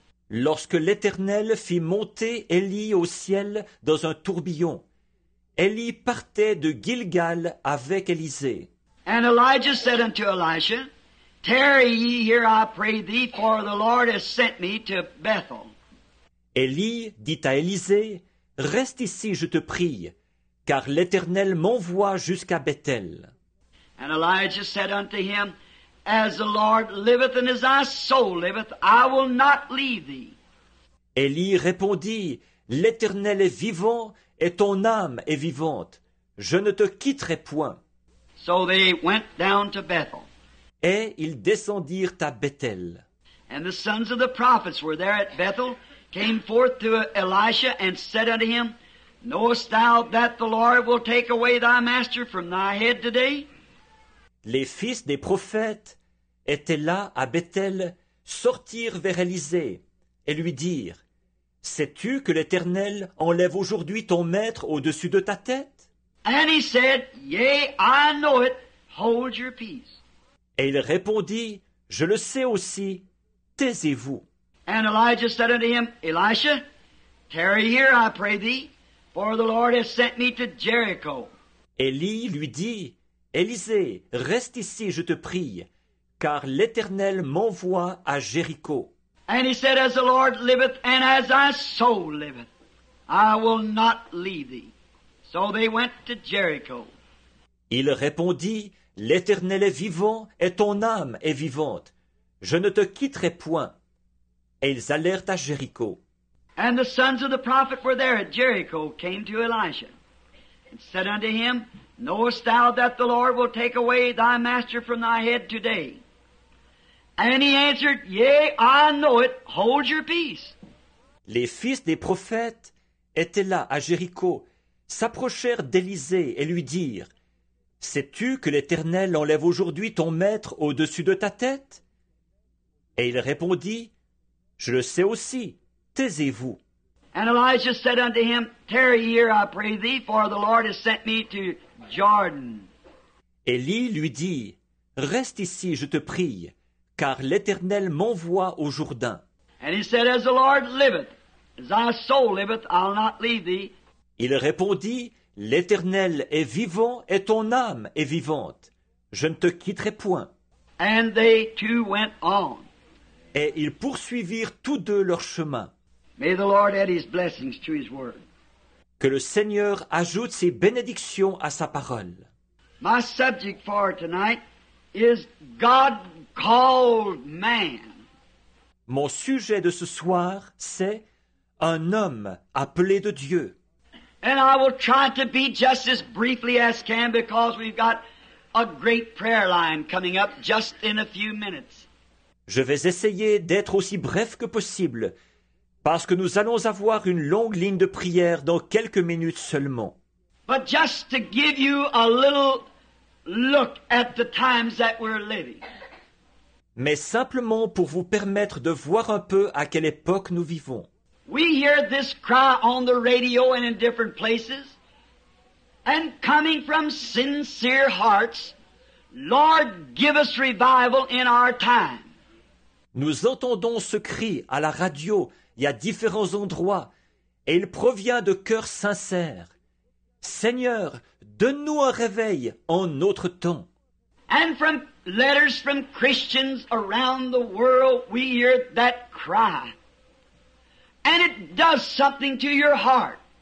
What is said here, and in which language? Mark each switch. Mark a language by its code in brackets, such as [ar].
[fr] Lorsque l'Éternel fit monter Élie au ciel dans un tourbillon, Élie partait de Gilgal avec Élisée. [en] And Elijah said unto Elisha, tarry ye here, I pray thee, for the Lord has sent me to Bethel. [fr] Élie dit à Élisée, reste ici, je te prie, car l'Éternel m'envoie jusqu'à Bethel. [en] And Elijah said unto him, as the Lord liveth and as thy soul liveth, I will not leave thee. [fr] Élie répondit, l'Éternel est vivant et ton âme est vivante. Je ne te quitterai point. [en] So they went down to Bethel. [fr] Et ils descendirent à Bethel. [en] And the sons of the prophets were there at Bethel, came forth to Elisha and said unto him, knowest thou that the Lord will take away thy master from thy head today? [fr] Les fils des prophètes étaient là à Bethel, sortirent vers Élisée et lui dirent, sais-tu que l'Éternel enlève aujourd'hui ton maître au-dessus de ta tête? [en] And he said, yea, I know it, hold your peace. [fr] Et il répondit, je le sais aussi, taisez-vous. [en] And Elijah said unto him, Elisha, tarry here, I pray thee, for the Lord has sent me to Jericho. [fr] Élie lui dit, Élisée, reste ici, je te prie, car l'Éternel m'envoie à Jéricho. [en] And he said, as the Lord liveth and as thy soul liveth, I will not leave thee. So they went to Jericho. [fr] Il répondit, l'Éternel est vivant et ton âme est vivante. Je ne te quitterai point. Et ils allèrent à Jéricho. [en] And the sons of the prophet were there at Jericho, came to Elijah, and said unto him, knowest thou that the Lord will take away thy master from thy head today? And he answered, yea, I know it, hold your peace. [fr] Les fils des prophètes étaient là à Jéricho, s'approchèrent d'Élisée et lui dirent, sais-tu que l'Éternel enlève aujourd'hui ton maître au-dessus de ta tête? Et il répondit, je le sais aussi, taisez-vous. [en] And Elijah said unto him, tarry here, I pray thee, for the Lord has sent me to Jordan. [fr] Élie lui dit, reste ici, je te prie, car l'Éternel m'envoie au Jourdain. [en] And he said, as the Lord liveth, as thy soul liveth, I'll not leave thee. [fr] Il répondit, l'Éternel est vivant et ton âme est vivante. Je ne te quitterai point. [en] And they two went on. [fr] Et ils poursuivirent tous deux leur chemin. [en] May the Lord add his blessings to his word. [fr] Que le Seigneur ajoute ses bénédictions à sa parole. [en] My subject for tonight is God called man. [fr] Mon sujet de ce soir, c'est un homme appelé de Dieu. [en] And I will try to be just as briefly as can because we've got a great prayer line coming up just in a few minutes. [fr] Je vais essayer d'être aussi bref que possible parce que nous allons avoir une longue ligne de prière dans quelques minutes seulement. [en] But just to give you a little look at the times that we're living. [fr] mais simplement pour vous permettre de voir un peu à quelle époque nous vivons. [en] We hear this cry on the radio and in different places, and coming from sincere hearts, Lord, give us revival in our time. [fr] Nous entendons ce cri à la radio et à différents endroits, et il provient de cœurs sincères. Seigneur, donne-nous un réveil en notre temps. [en] And from letters from Christians around the world, we hear that cry. And it does something to your heart.